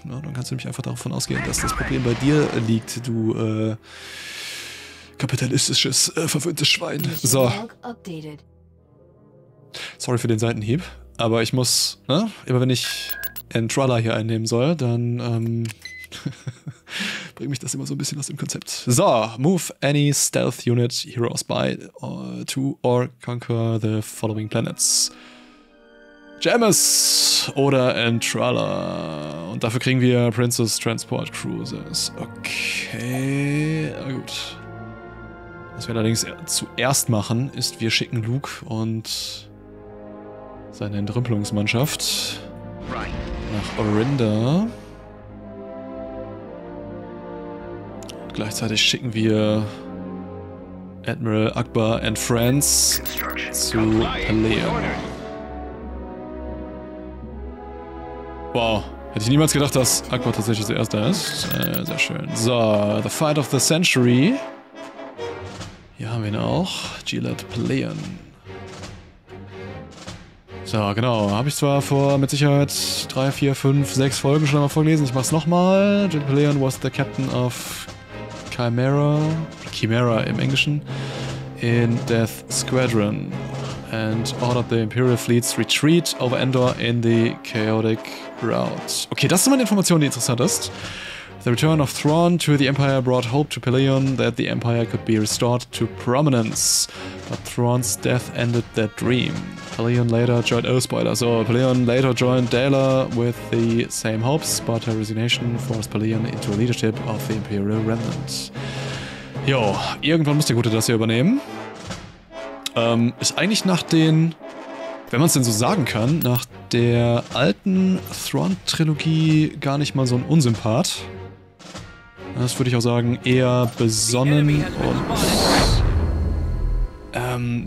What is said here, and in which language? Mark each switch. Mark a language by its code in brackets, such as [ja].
[de] Ja, dann kannst du nämlich einfach davon ausgehen, dass das Problem bei dir liegt, du kapitalistisches, verwöhntes Schwein. So. Sorry für den Seitenhieb, aber ich muss, ne, immer wenn ich Entrala hier einnehmen soll, dann bringe mich das immer so ein bisschen aus dem Konzept. [en] So, move any stealth unit heroes by to or conquer the following planets. [de] Jemis oder Entralla. Und dafür kriegen wir Princess Transport Cruises. Okay, na gut. Was wir allerdings zuerst machen, ist, wir schicken Luke und seine Entrümpelungsmannschaft nach Orinda. Und gleichzeitig schicken wir Admiral Akbar and Friends zu Palea. Wow, hätte ich niemals gedacht, dass Akbar tatsächlich der Erste ist. Sehr schön. [en] So, the Fight of the Century. [de] Hier haben wir ihn auch. Gilad Pleian. So, genau. Habe ich zwar vor mit Sicherheit 3, 4, 5, 6 Folgen schon einmal vorgelesen. Ich mach's nochmal. [en] Gilad Pleian was the captain of Chimera [de] im Englischen. [en] In Death Squadron. And ordered the Imperial Fleet's retreat over Endor in the chaotic route. [de] Okay, das ist mal eine Information, die interessant ist. [en] The return of Thrawn to the Empire brought hope to Pelion that the Empire could be restored to prominence. But Thrawn's death ended that dream. Pelion later joined... Oh, spoiler. So, Pelion later joined Dala with the same hopes, but her resignation forced Pelion into leadership of the Imperial Remnant. [de] Jo, irgendwann muss der Gute das hier übernehmen. Ist eigentlich nach den, wenn man es denn so sagen kann, nach der alten Thrawn-Trilogie gar nicht mal so ein Unsympath. Das würde ich auch sagen, eher besonnen und...